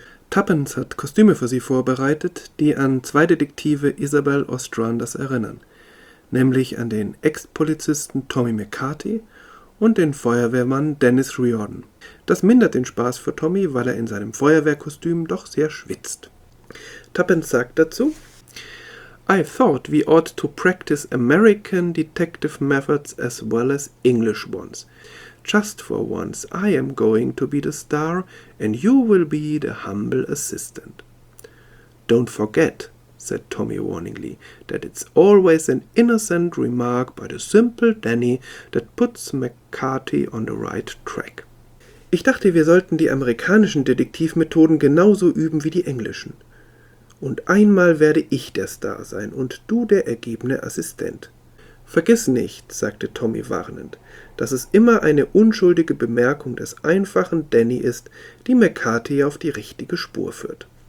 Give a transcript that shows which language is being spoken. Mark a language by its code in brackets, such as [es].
[de] Tuppence hat Kostüme für sie vorbereitet, die an 2 Detektive Isabel Ostranders erinnern, nämlich an den Ex-Polizisten Tommy McCarthy und den Feuerwehrmann Dennis Riordan. Das mindert den Spaß für Tommy, weil er in seinem Feuerwehrkostüm doch sehr schwitzt. Tuppence sagt dazu: [en] I thought we ought to practice American detective methods as well as English ones. Just for once, I am going to be the star and you will be the humble assistant. Don't forget, said Tommy warningly, that it's always an innocent remark by the simple Danny that puts McCarthy on the right track. [de] Ich dachte, wir sollten die amerikanischen Detektivmethoden genauso üben wie die englischen. Und einmal werde ich der Star sein und du der ergebene Assistent. Vergiss nicht, sagte Tommy warnend, dass es immer eine unschuldige Bemerkung des einfachen Danny ist, die McCarthy auf die richtige Spur führt.